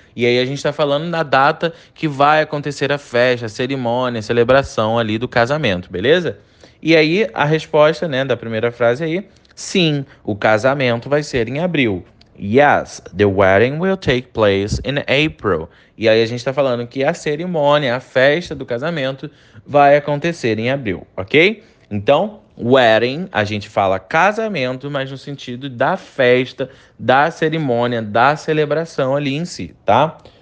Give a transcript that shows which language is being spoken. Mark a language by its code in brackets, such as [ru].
[pt] E aí a gente está falando da data que vai acontecer a festa, a cerimônia, a celebração ali do casamento, beleza? E aí a resposta, né, da primeira frase aí, sim, o casamento vai ser em abril. [en] Yes, the wedding will take place in April. [pt] E aí a gente está falando que a cerimônia, a festa do casamento vai acontecer em abril, ok? Então, wedding, a gente fala casamento, mas no sentido da festa, da cerimônia, da celebração ali em si, tá?